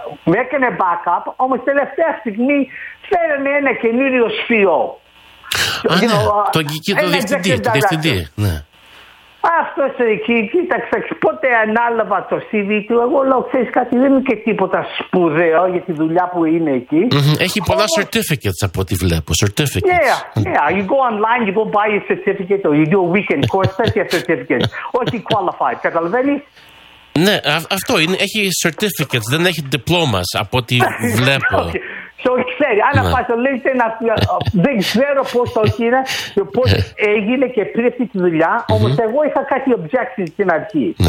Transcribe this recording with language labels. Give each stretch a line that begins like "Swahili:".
Greek: Με έκανε backup, όμως τελευταία στιγμή φέρανε ένα καινούριο σφυρό. Α, ναι, το διευθυντή. Ναι. Αυτός εκεί, κοίταξε, πότε ανάλαβα το CV του, εγώ λέω, ξέρεις κάτι, δεν είναι και τίποτα σπουδαίο για τη δουλειά που είναι εκεί. Έχει πολλά όμως, certificates από ό,τι βλέπω, certificates.
English: Yeah, you go online, you go buy a certificate, or you do a weekend course, that's your certificate.
Greek: Όχι qualified, καταλαβαίνεις. Ναι, αυτό είναι, έχει certificates, δεν έχει diplomas από ό,τι βλέπω. Όχι, ξέρει, αν απασχολείται να πει, δεν ξέρω πώς το είναι, πώς έγινε και πήρε αυτή τη δουλειά, όμως εγώ είχα κάτι objections στην αρχή.